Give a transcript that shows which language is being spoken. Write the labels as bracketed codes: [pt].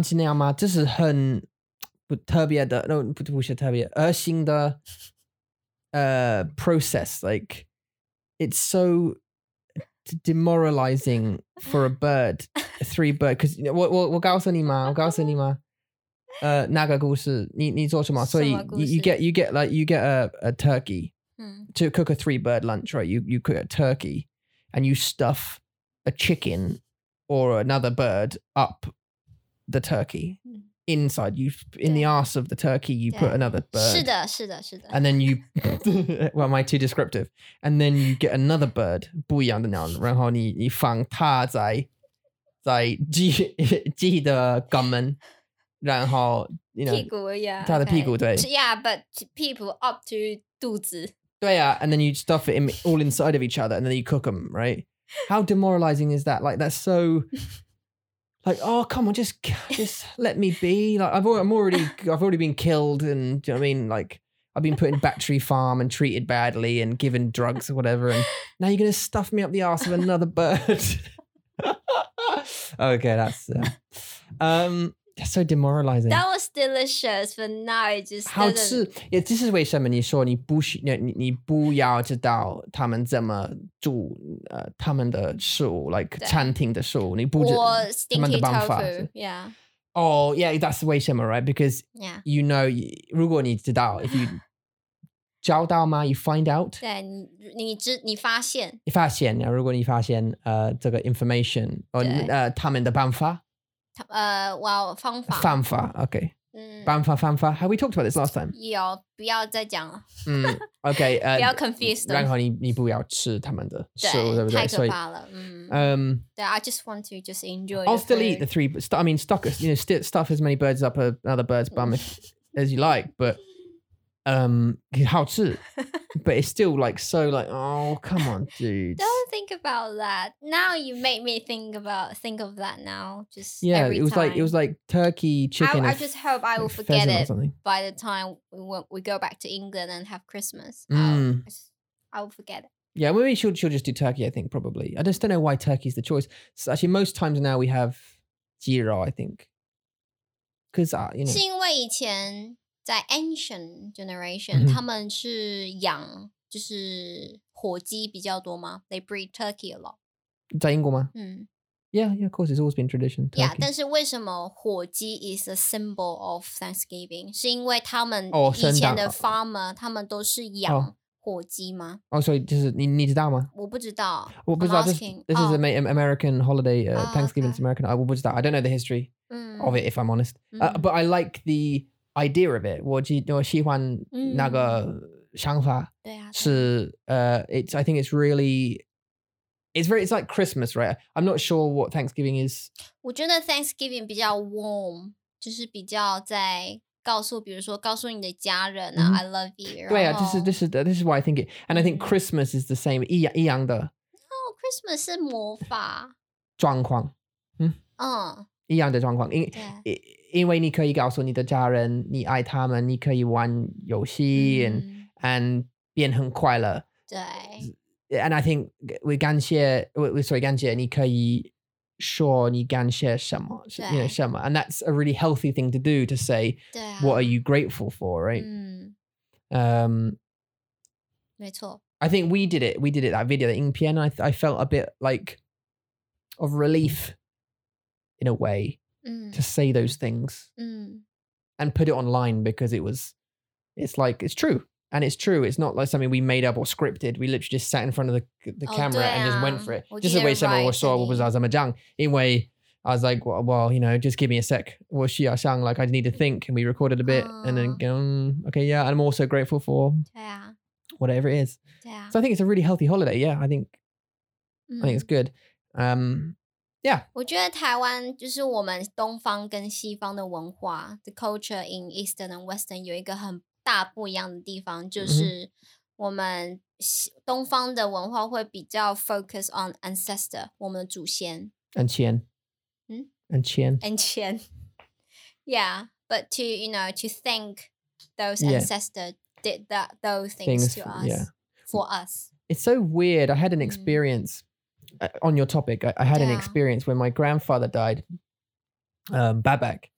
[zh] 三只鸟吗？这是很不特别的， no, 不是特别，恶心的。 [en] Process, like it's so demoralizing for a bird, three bird, because you know, [zh] 我告诉你吗？那个故事，你做什么？所以你 [en] get a turkey to cook a three bird lunch, right? You cook a turkey and you stuff a chicken or another bird up the turkey. Inside you, in the arse of the turkey, you put another bird. [zh] 是的，是的，是的。 [en] And then you, well, am I too descriptive? And then you get another bird, [zh] 不一样的鸟，然后你放它在鸡的肛门, 然后 [en] you know, [zh] 屁股, yeah, 它的屁股, okay. 对。 [en] Yeah, but people up to [zh] 肚子. 对啊, [en] and then you stuff it in, all inside of each other, and then you cook them, right? How demoralizing is that? Like, that's so... Like, oh, come on, just let me be. Like, I've already been killed, and do you know what I mean? Like, I've been put in battery farm and treated badly and given drugs or whatever, and now you're going to stuff me up the arse of another bird. Okay, that's so demoralizing. That was delicious, but now it just doesn't... [zh] 好吃. [en] Yeah, this is [zh] 为什么你说你不要知道他们怎么煮他们的食物, like 餐厅的食物,你不知道他们的方法. [en] Stinky tofu, yeah. Oh, yeah, that's [zh] 为什么, [en] right? Because you know, [zh] 如果你知道, [en] if you [zh] 找到吗, [en] you find out. [zh] 对,你发现。发现, 如果你发现, 这个 information, 他们的办法, well, 方法. 方法, okay. 方法, 方法. [en] Have we talked about this last time? [zh] 有, 不要再讲了。 [en] Okay. [zh] 不要 [en] confuse them. [zh] 然后你不要吃他们的食物,对不对? 太可怕了。对, [en] I just want to just enjoy I'll still eat the three, I mean, stuff as many birds up another bird's bum as you like, but [zh] 好吃, [en] but it's still like so like, oh, come on, dude. Don't think about that. Now you make me think of that now. Just yeah, every it was time. Like, it was like turkey, chicken. I just hope I will forget it by the time we go back to England and have Christmas. I will forget it. Yeah, maybe she'll just do turkey, I think, probably. I just don't know why turkey's the choice. So actually, most times now we have jiro, I think. Because, you know. [zh] 是因为以前... [en] That ancient generation, they breed turkey a lot. [zh] 在英国吗? [en] Yeah, of course, it's always been tradition. Turkey. Yeah, [zh] 但是为什么火鸡 [en] is a symbol of Thanksgiving? [zh] 是因为他们以前的 farmer, 他们都是养火鸡吗? Oh, sorry, 就是你知道吗? 我不知道。 [en] This is an American holiday, Thanksgiving is American. [zh] 我不知道, [en] I don't know the history of it, if I'm honest. But I like the... idea of it. [zh] 我喜欢那个想法. 对啊。是, [en] it's, I think it's really, it's very, it's like Christmas, right? I'm not sure what Thanksgiving is. [zh] 我觉得 Thanksgiving 比较 warm, 就是比较在告诉比如说告诉你的家人啊、mm-hmm. [en] I love you 对啊 this is why I think it and I think Christmas is the same [zh] 一样的 Oh Christmas 是魔法状况一样的状况 因为你可以告诉你的家人你爱他们你可以玩游戏、mm-hmm. and 变很快乐对 [en] and I think [zh] 我感谢 sorry 感谢你可以说你感谢什么, 对, [en] you know, [zh] 什么 [en] and that's a really healthy thing to do to say、啊、 what are you grateful for right、 [zh] 嗯、没错 [en] I think we did it that video the [zh] 影片 [en] I felt a bit like of relief in a way、嗯、 to say those things、嗯、 and put it online because it was it's like it's true and it's true it's not like something we made up or scripted we literally just sat in front of the camera、哦啊、 and just went for it just the way someone was saw was as a mahjong in way I was like well you know just give me a sec was she a shang like I need to think and we recorded a bit、and then okay yeah I'm also grateful for、啊、 whatever it is、啊、 so I think it's a really healthy holiday yeah I think it's good yeah [zh] 我觉得台湾就是我们东方跟西方的文化 [en] the culture in eastern and western [zh] 有一个很大不一样的地方就是我们东方的文化会比较 [en] focus on ancestor [zh] 我们的祖先 [en] ancient、嗯、 ancient yeah but to you know to thank those ancestors、 yeah. did that those things to us、 yeah. for us it's so weird I had an experience、mm. on your topic I had、 yeah. an experience when my grandfather died Babak、